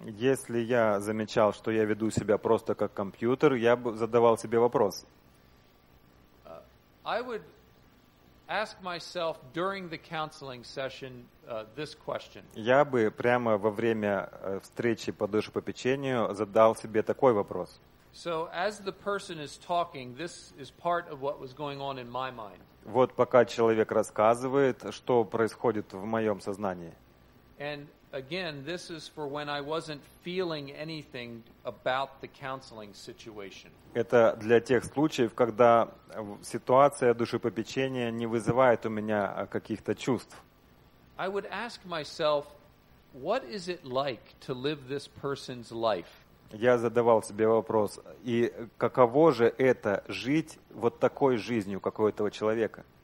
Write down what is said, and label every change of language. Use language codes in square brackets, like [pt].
[ru] Если я замечал, что я веду себя просто как компьютер, я бы задавал себе вопрос. [en] I would ask myself during the counseling session this question. [ru] Я бы прямо во время встречи по душепопечению задал себе такой вопрос. [en] So as the person is talking, this is part of what was going on in my mind. [ru] Вот пока человек рассказывает, что происходит в моем сознании. [en] And again, this is for when I wasn't feeling anything about the counseling situation. [ru] Это для тех случаев, когда ситуация душепопечения не вызывает у меня каких-то чувств. [en] I would ask myself, what is it like to live this person's life? [ru] Я задавал себе вопрос, и каково же это жить вот такой жизнью, как у этого человека?